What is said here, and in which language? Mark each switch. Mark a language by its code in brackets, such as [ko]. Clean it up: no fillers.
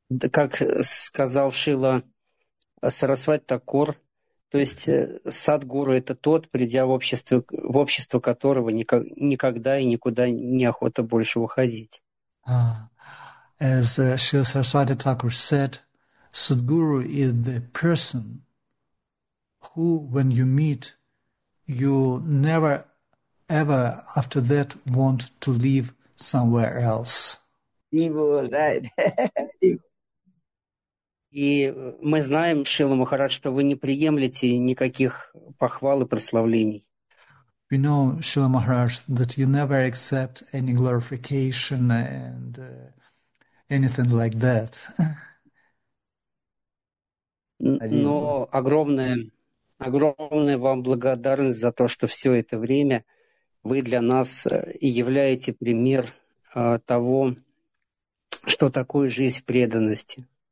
[ru] Как сказал Шрила Сарасвати Такур, то есть садгуру — это тот, придя в общество которого никогда и никуда неохота больше выходить. [en] As Srila Saraswati Thakur said, Sadguru is the person who, when you meet, you never ever after that want to live somewhere else. Evil, right. [ru] И мы знаем, Шрила Махарадж, что вы не приемлете никаких похвал и прославлений. [en] We know, Srila Maharaj, that you never accept any glorification and anything like that. [ru] Но огромная вам благодарность за то, что все это время вы для нас являете пример того, что такое жизнь в преданности.